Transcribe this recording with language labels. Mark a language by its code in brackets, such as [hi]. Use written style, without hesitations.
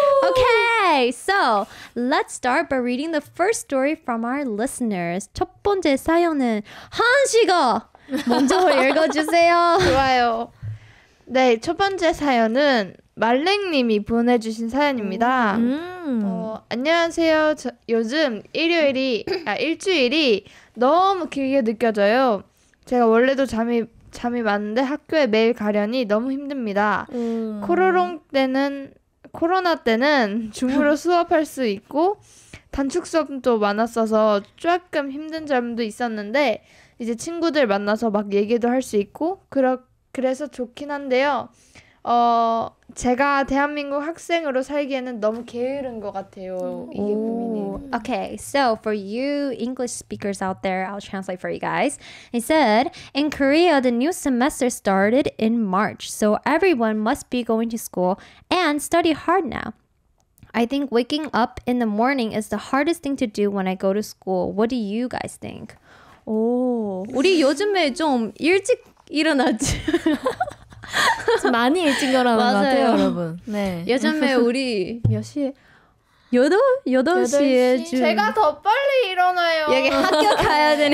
[en] Okay, so let's start by reading the first story from our listeners. [ko] 첫 번째 사연은 한 씨가 먼저 읽어주세요. 좋아요. 네, 첫 번째 사연은 말랭님이 보내주신 사연입니다. 안녕하세요. 요즘 일주일이 너무 길게 느껴져요. 제가 원래도 잠이 많은데 학교에 매일 가려니 너무 힘듭니다. 코로나 때는 줌으로 수업할 수 있고 단축 수업도 많았어서 조금 힘든 점도 있었는데 이제 친구들 만나서 막 얘기도 할 수 있고 그래서 좋긴 한데요. 제가 대한민국 학생으로 살기에는 너무 게으른 것 같아요. 오케이, [en] so for you English speakers out there, I'll translate for you guys. He said, in Korea, the new semester started in March, so everyone must be going to school and study hard now. I think waking up in the morning is the hardest thing to do when I go to school. What do you guys think? [ko] 오, 우리 요즘에 좀 일찍 일어나지? 많이 일찍 일어나는 것 같아요, 여러분. 네. 요즘에 우리 몇 시에? 8시에 지금 제가 더 빨리 일어나요. 여기 학교 가야 되니